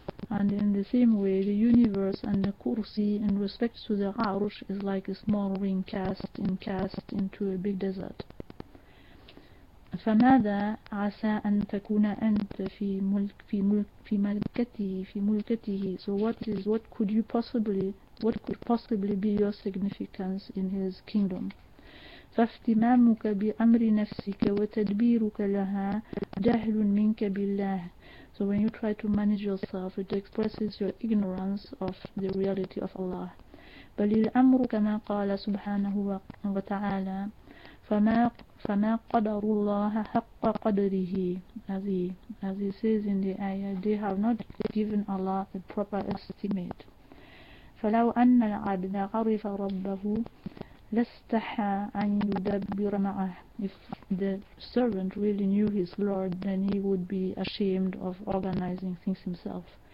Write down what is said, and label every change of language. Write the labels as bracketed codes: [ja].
[en] And in the same way, the universe and the kursi in respect to the arsh is like a small ring cast into a big desert. [ar] فماذا عسى أن تكون أنت في ملك في ملك في ملكته في ملكته. [en] So what could possibly be your significance in his kingdom? [ar] فاهتمامك بأمر نفسك وتدبيرك لها جهل منك بالله. [en] So when you try to manage yourself, it expresses your ignorance of the reality of Allah. [ar] بل الأمر كما قال سبحانه وتعالى فما قدر الله حق قدره. [en] As he says in the ayah, they have not given Allah a proper estimate. [ar] فلو أن العبد عرف ربه لاستحى أن يدبر معه. [en] If the servant really knew his Lord, then he would be ashamed of organizing things himself.